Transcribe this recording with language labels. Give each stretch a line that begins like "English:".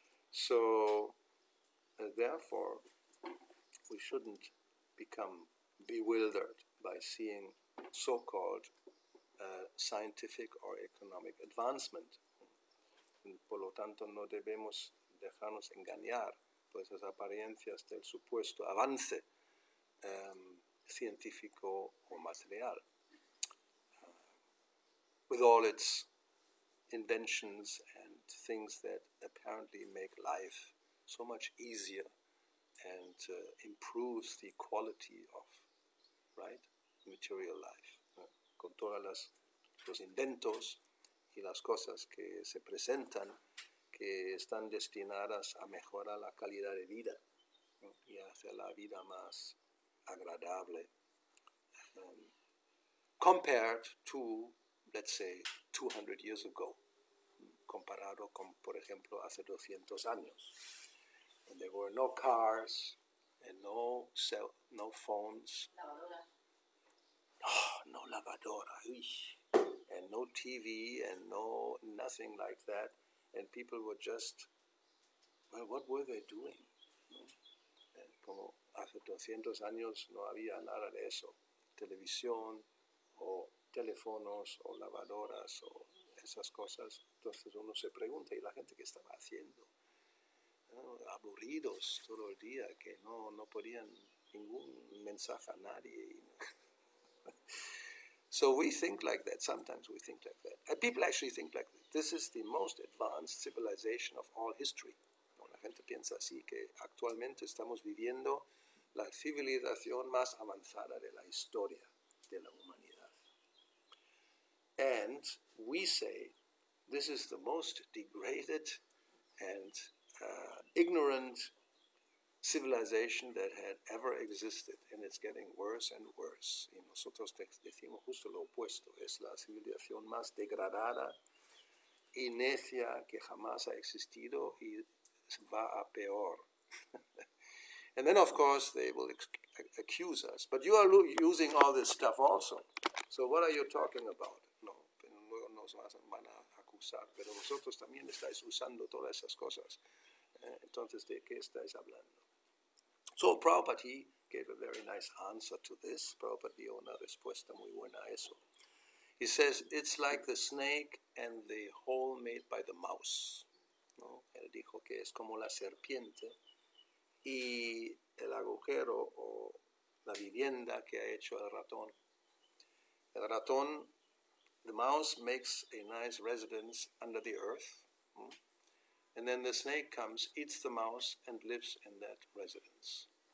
English: So, therefore, we shouldn't become bewildered by seeing so-called scientific or economic advancement.
Spanish: Por lo tanto, no debemos dejarnos engañar por esas apariencias del supuesto avance científico o material.
English: With all its inventions and things that apparently make life so much easier and improves the quality of, right, material life.
Spanish: Con todos los inventos y las cosas que se presentan que están destinadas a mejorar la calidad de vida y hacer la vida más agradable.
English: Compared to, let's say, 200 years ago,
Spanish: comparado con, por ejemplo, hace 200 años.
English: And there were no cars and no cell, no phones.
Spanish: Lavadora. Oh, no lavadora. Uy.
English: And no TV and no nothing like that. And people were just, well, what were they doing?
Spanish: No? Como hace 200 años no había nada de eso. Televisión o teléfonos o lavadoras o esas cosas. Entonces uno se pregunta, ¿y la gente qué estaba haciendo? Aburridos todo el día, que no podían ningún mensaje a nadie.
English: So we think like that. Sometimes we think like that. And people actually think like that. This is the most advanced civilization of all history.
Spanish: La gente piensa así, que actualmente estamos viviendo la civilización más avanzada de la historia de la humanidad.
English: And we say this is the most degraded and ignorant civilization that had ever existed, and it's getting worse and worse.
Spanish: Y nosotros decimos justo lo opuesto. Es la civilización más degradada y necia que jamás ha existido y va a peor.
English: And then, of course, they will accuse us. But you are using all this stuff also. So what are you talking about?
Spanish: No, pero luego nos van a acusar. Pero vosotros también estáis usando todas esas cosas. Entonces, ¿de qué estáis hablando?
English: So Prabhupada, he gave a very nice answer to this.
Spanish: Prabhupada dio una respuesta muy buena a eso.
English: He says, it's like the snake and the hole made by the mouse.
Spanish: ¿No? Él dijo que es como la serpiente y el agujero o la vivienda que ha hecho el ratón. El ratón,
English: the mouse makes a nice residence under the earth.
Spanish: ¿No?
English: And then the snake comes, eats the mouse, and lives in that residence.